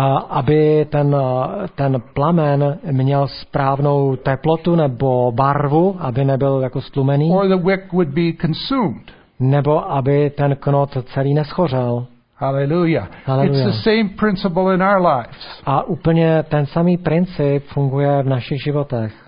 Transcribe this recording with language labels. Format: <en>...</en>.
<cs>Aby ten plamen měl správnou teplotu nebo barvu, aby nebyl jako stlumený.</cs> <en>Or the wick would be consumed.</en> <cs>Nebo aby ten knot celý neschořel. Hallelujah.</cs> <en>It's the same principle in our lives.</en> <cs>A úplně ten samý princip funguje v našich životech.</cs>